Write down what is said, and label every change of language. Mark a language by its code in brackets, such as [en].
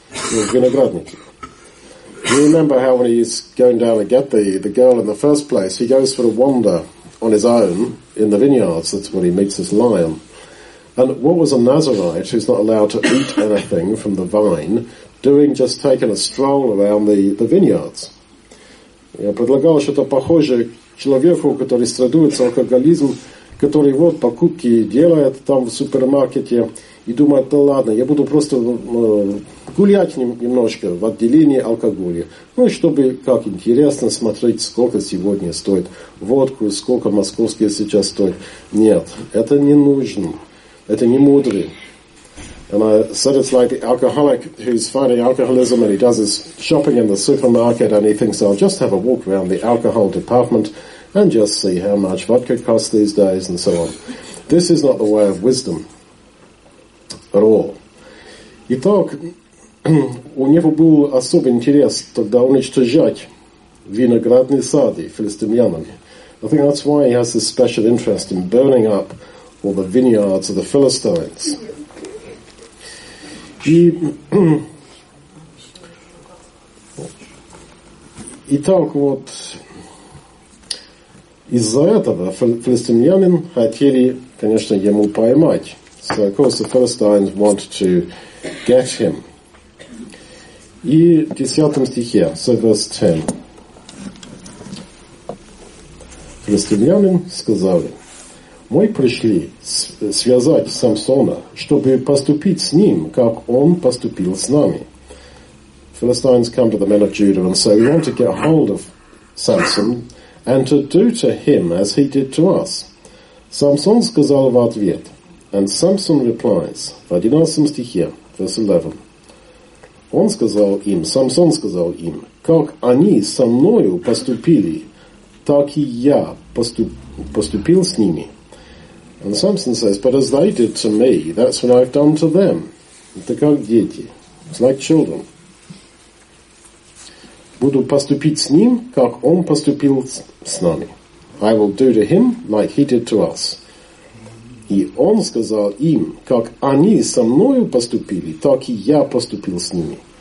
[en] You remember how when he's going down to get the girl in the first place, he goes for a wander on his own in the vineyards, that's when he meets this lion. And what was a Nazarite who's not allowed to eat anything from the vine doing just taking a stroll around the vineyards? [ru] Я предлагал, что это похоже человеку, который страдует с алкоголизмом, который вот покупки делает там в супермаркете, и думает, да ладно, я буду просто гулять немножко в отделении алкоголя. Ну, чтобы, как интересно, смотреть, сколько сегодня стоит водку, сколько московские сейчас стоят. Нет, это не нужно. Это не мудрый. [en] And I said it's like the alcoholic who's fighting alcoholism and he does his shopping in the supermarket and he thinks, I'll just have a walk around the alcohol department and just see how much vodka costs these days and so on. This is not the way of wisdom. [ru] Итак, у него был особый интерес тогда уничтожать виноградные сады филистимлянами. [en] I think that's why he has this special interest in burning up all the vineyards of the Philistines. [ru] Итак, вот из-за этого филистимлянин хотели, конечно, ему поймать. [en] So, of course, the Philistines want to get him. [ru] И в 10 стихе, [en] so verse 10. [ru] Филистимлянин сказали, мы пришли связать Самсона, чтобы поступить с ним, как он поступил с нами. [en] Philistines come to the men of Judah and say, we want to get hold of Samson and to do to him as he did to us. [ru] Самсон сказал в ответ, [en] and Samson replies, [ru] в 11 стихе, [en] verse 11. [ru] Он сказал им, Самсон сказал им, как они со мною поступили, так и я поступил с ними. [en] And Samson says, but as they did to me, that's what I've done to them. [ru] Это как дети, [en] it's like children. [ru] Буду поступить с ним, как он поступил с нами. [en] I will do to him like he did to us. [ru] И он сказал им, как они со мною поступили, так и я поступил с ними.